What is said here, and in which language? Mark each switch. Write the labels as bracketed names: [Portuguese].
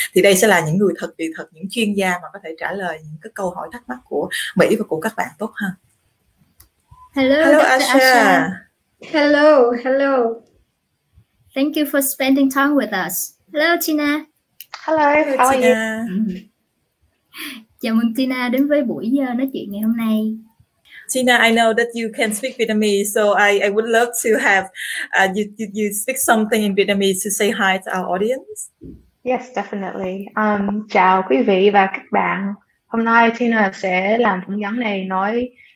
[Vietnamese] Thì đây sẽ là những người thật việc thật, những chuyên gia mà có thể trả lời những cái câu hỏi thắc mắc của Mỹ và của các bạn tốt hơn. [English] Hello Asha. Hello. Thank you for spending time with us. Hello Tina. Hello, how are you? [Vietnamese] Chào mừng Tina đến với buổi nói chuyện ngày hôm nay. [English] Tina, I know that you can speak Vietnamese, so I would love to have you speak something in Vietnamese to say hi to our audience. Yes, definitely. [Vietnamese] Chào quý vị và các bạn. Hôm nay Tina sẽ làm phỏng vấn này nói